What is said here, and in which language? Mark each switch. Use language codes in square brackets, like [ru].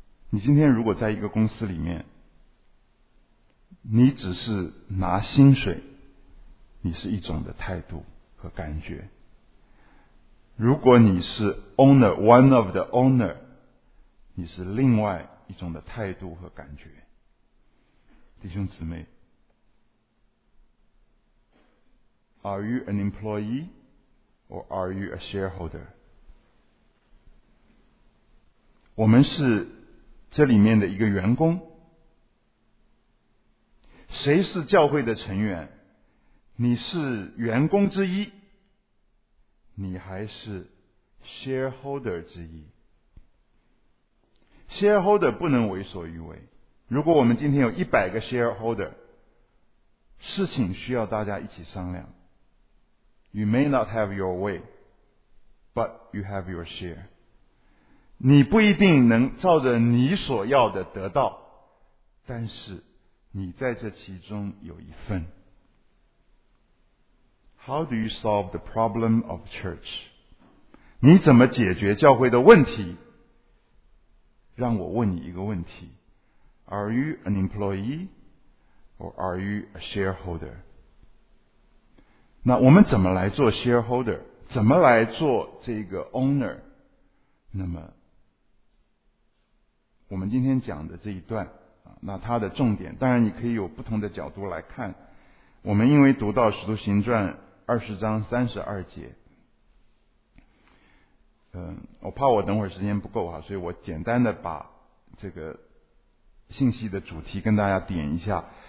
[zh] 你今天如果在一个公司里面，你只是拿薪水，你是一种的态度和感觉。如果你是 owner， [en] one of the owner， [zh] 你是另外一种的态度和感觉。弟兄姊妹， [en] Are you an employee or are you a shareholder？ [zh] 我们是这里面的一个员工，谁是教会的成员？你是员工之一，你还是 shareholder 之一。 shareholder 不能为所欲为。如果我们今天有一百个 shareholder，事情需要大家一起商量。 [en] You may not have your way, but you have your share. [zh] 你不一定能照着你所要的得到，但是你在这其中有一份。 [en] How do you solve the problem of church? [zh] 你怎么解决教会的问题？让我问你一个问题。 [en] Are you an employee? Or are you a shareholder? [zh] 那我们怎么来做 shareholder? 怎么来做这个 owner? 那么我们今天讲的这一段，那它的重点，当然你可以有不同的角度来看。我们因为读到使徒行传20章32节，我怕我等会儿时间不够啊，所以我简单的把这个信息的主题跟大家点一下。